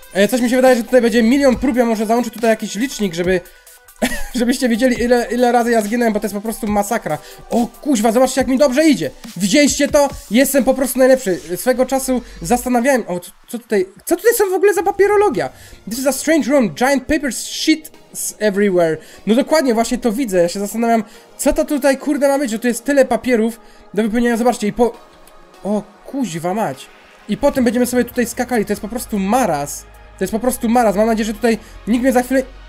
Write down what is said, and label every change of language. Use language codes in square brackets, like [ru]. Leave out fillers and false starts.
[pl] Coś mi się wydaje, że tutaj będzie milion prób, ja może załączę tutaj jakiś licznik, żeby... Żebyście wiedzieli, ile razy ja zginąłem, bo to jest po prostu masakra. O kuźwa, zobaczcie, jak mi dobrze idzie. Widzieliście to? Jestem po prostu najlepszy. Swego czasu zastanawiałem... O, co tutaj... Co tutaj są w ogóle za papierologia? [en] This is a strange room, giant papers, shit everywhere. [pl] No dokładnie, właśnie to widzę. Ja się zastanawiam, co to tutaj kurde ma być, że tu jest tyle papierów do wypełnienia. Zobaczcie, i po... O kuźwa mać. I potem będziemy sobie tutaj skakali, to jest po prostu maraz. To jest po prostu maraz. Mam nadzieję, że tutaj nikt mnie za chwilę...